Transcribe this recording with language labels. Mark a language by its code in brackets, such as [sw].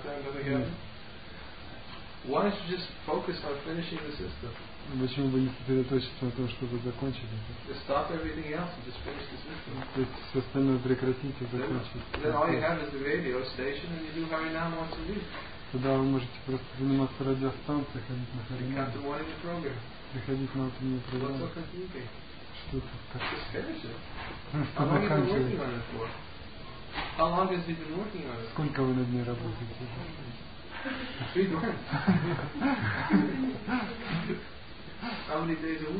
[en] Why don't you just focus on finishing the system? [ru] Почему бы не сосредоточиться на том, чтобы закончить это? [en] Stop everything else and just finish the system. [ru] То есть все остальное прекратить и закончить. [en] Then all you have is the radio station and you do hurry now once a week. [ru] Тогда вы можете просто заниматься радиостанцией, ходить на Харинам. Приходить на утреннюю программу. Что это? Просто заканчивайте. Сколько вы над ней работаете?